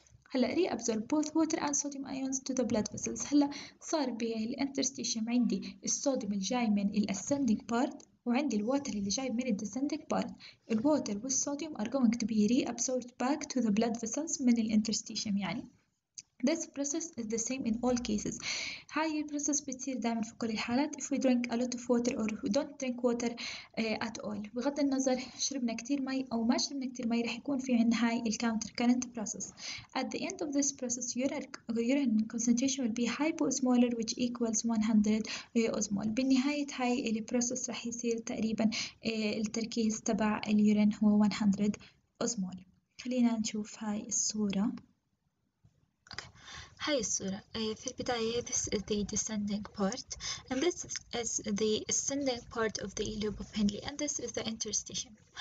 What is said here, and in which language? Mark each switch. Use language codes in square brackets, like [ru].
[en] هلا reabsorb both water and sodium ions to the blood vessels. [ar] هلا صار بالانترستيشن عندي الصوديوم الجاي من الاسندنج بارت وعندي الووتر اللي جاي من الديسندنج بارت. [en] الووتر والصوديوم ار جوينج تو بي ري ابزورب باك تو ذا بلاد فيسلز من الانترستيشن. يعني this process is the same in all cases. [ar] هاي البروسيس بتصير دائما في كل الحالات. [en] if we drink a lot of water or we don't drink water at all، [ar] بغض النظر شربنا كتير مي او ما شربنا كتير مي، رح يكون في عن هاي الكاونتر كارنت بروسيس. [en] at the end of this process urine concentration will be hyposmolar which equals 100 osmol. [ar] بالنهاية هاي البروسيس رح يصير تقريبا التركيز تبع اليورين هو 100 osmol. خلينا نشوف هاي الصورة. هاي الصورة في البداية [en] this is the descending part and this is the ascending part of the loop of Henle and this is the interstitium.